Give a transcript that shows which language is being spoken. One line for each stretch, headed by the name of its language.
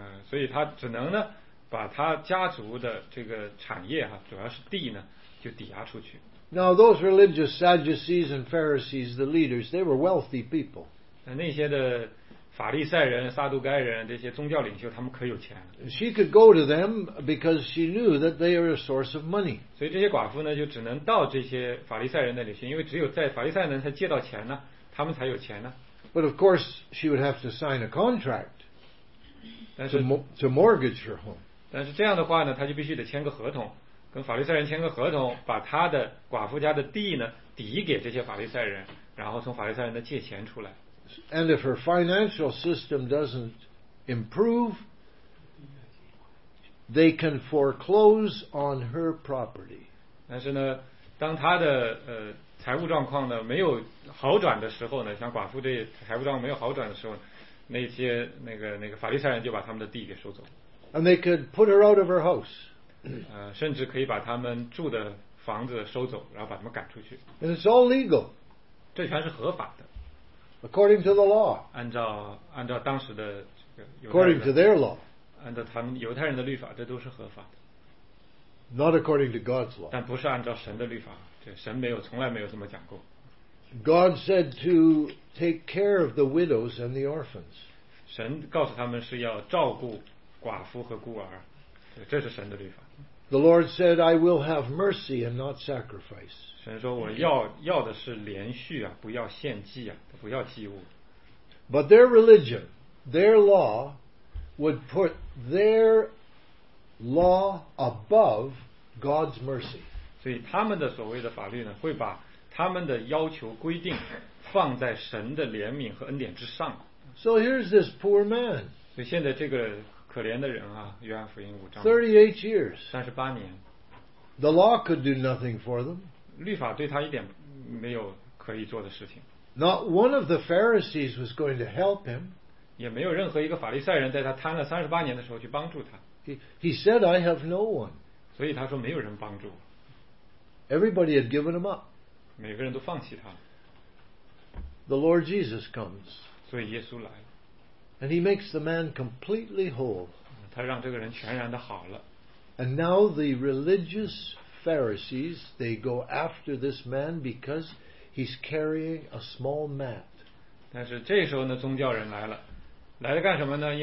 Chinese: 所以她只能呢，把她家族的这个产业哈，主要是地呢，就抵押出去。
English: Now those religious Sadducees and Pharisees, the leaders, they were wealthy people.
Chinese: 那些的法利赛人、撒杜该人这些宗教领袖，他们可有钱了。
English: She could go to them because she knew that they are a source of money.
Chinese: 所以这些寡妇呢，就只能到这些法利赛人那里去，因为只有在法利赛人才借到钱呢。他们才有钱呢。
English: But of course, she would have to sign a contract to mortgage her home.
Chinese: 但是这样的话呢，她就必须得签个合同，跟法利赛人签个合同，把她的寡妇家的地呢抵给这些法利赛人，然后从法利赛人的借钱出来。
English: And if her financial system doesn't improve, they can foreclose on her property.
Chinese: 但是呢，当她的财务状况呢没有好转的时候呢，像寡妇这财务状况没有好转的时候呢，那些那个法利赛人就把他们的地给收走。
English: And they could put her out of her house.
Chinese: 甚至可以把他们住的房子收走，然后把他们赶出去。
English: And it's all legal.
Chinese: 这全是合法的。
English: According to the law.
Chinese: 按照当时的这个犹太人。
English: According to their law.
Chinese: 按照他们犹太人的律法，这都是合法的。
English: Not according to God's law.
Chinese: 但不是按照神的律法，这神没有从来没有这么讲过。
English: God said to take care of the widows and the orphans.
Chinese: 神告诉他们是要照顾寡妇和孤儿，这是神的律法。
English: The Lord said, "I will have mercy and not sacrifice."
Chinese: 神说我要的是连续啊，不要献祭啊，不要祭物。
English: But their religion, their law, would put their law above God's mercy.
Chinese: 所以他们的所谓的法律呢，会把他们的要求规定放在神的怜悯和恩典之上。
English: So here's this poor man.
Chinese: 所以现在这个可怜的人啊，约翰福音五章。
English: 38 years.
Chinese: 38年。
English: The law could do nothing for them.
Chinese: 律法对他一点没有可以做的事情。
English: Not one of the Pharisees was going to help him.
Chinese: 也没有任何一个法利赛人在他摊了38年的时候去帮助他。
English: He said, "I have no one."
Chinese: 所以他说没有人帮助。
English: Everybody had given him up.
Chinese: 每个人都放弃他。
English: The Lord Jesus comes.
Chinese: 所以耶稣来。
English: And he makes the man completely whole.
Chinese: 他让这个人全然的好了。
English: And now the religious Pharisees, they go after this man because he's carrying a small mat.
Chinese: 但是这时候呢，宗教人来了。来了干什么呢？